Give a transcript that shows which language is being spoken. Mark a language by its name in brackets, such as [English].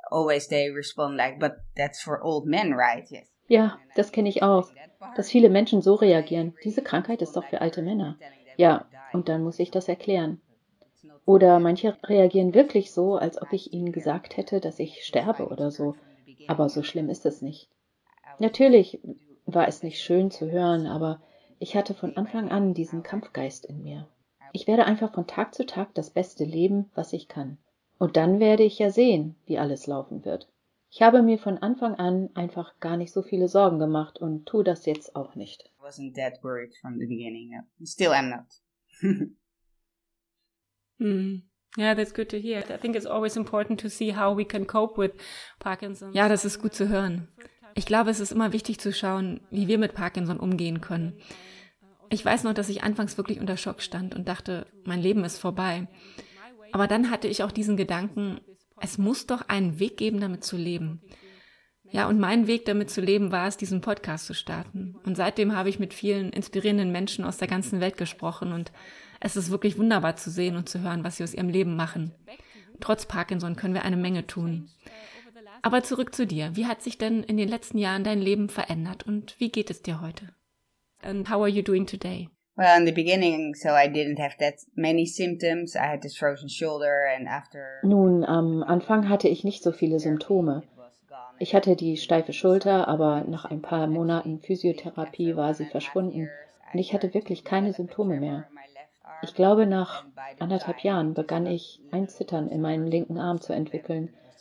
[English] Always they respond like, but that's for old men, right? Yes. [German] Ja, das kenne ich auch, dass viele Menschen so reagieren. Diese Krankheit ist doch für alte Männer. Ja, und dann muss ich das erklären. Oder manche reagieren wirklich so, als ob ich ihnen gesagt hätte, dass ich sterbe oder so. Aber so schlimm ist es nicht. Natürlich war es nicht schön zu hören, aber ich hatte von Anfang an diesen Kampfgeist in mir. Ich werde einfach von Tag zu Tag das Beste leben, was ich kann. Und dann werde ich ja sehen, wie alles laufen wird. Ich habe mir von Anfang an einfach gar nicht so viele Sorgen gemacht und tue das jetzt auch nicht. [English] I wasn't that worried from the beginning. Still am not. Yeah, that's good to hear. I think it's always important to see how we can cope with Parkinson. [German] Ja, das ist gut zu hören. Ich glaube, es ist immer wichtig zu schauen, wie wir mit Parkinson umgehen können. Ich weiß noch, dass ich anfangs wirklich unter Schock stand und dachte, mein Leben ist vorbei. Aber dann hatte ich auch diesen Gedanken, es muss doch einen Weg geben, damit zu leben. Ja, und mein Weg, damit zu leben, war es, diesen Podcast zu starten. Und seitdem habe ich mit vielen inspirierenden Menschen aus der ganzen Welt gesprochen und es ist wirklich wunderbar zu sehen und zu hören, was sie aus ihrem Leben machen. Trotz Parkinson können wir eine Menge tun. Aber zurück zu dir. Wie hat sich denn in den letzten Jahren dein Leben verändert und wie geht es dir heute? [English] And how are you doing today? Well, in the beginning, so I didn't have that many symptoms. I had this frozen shoulder and after... [German] Nun, am Anfang hatte ich nicht so viele Symptome. Ich hatte die steife Schulter, aber nach ein paar Monaten Physiotherapie war sie verschwunden. Und ich hatte wirklich keine Symptome mehr. Ich glaube, nach anderthalb Jahren begann ich ein Zittern in meinem linken Arm zu entwickeln.